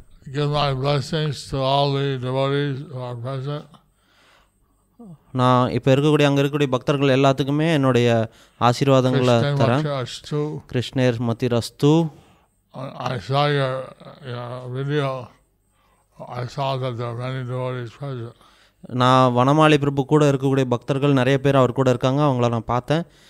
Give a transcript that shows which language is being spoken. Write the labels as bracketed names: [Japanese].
[English] Give my blessings to all the devotees who are present. [Tamil] Now, இப்ப இருக்கக்கூடிய அங்க இருக்கக்கூடிய பக்தர்கள் எல்லாத்துக்குமே என்னுடைய ஆசீர்வாதங்களை தரேன். கிருஷ்ணர் மதிரஸ்து. [English] I saw your video. I saw that there are many devotees present. [Tamil] நான் வனமாலி பிரபு கூட இருக்கக்கூடிய பக்தர்கள் நிறைய பேர் அவர் கூட இருக்காங்க. அவங்கள நான் பார்த்தேன்.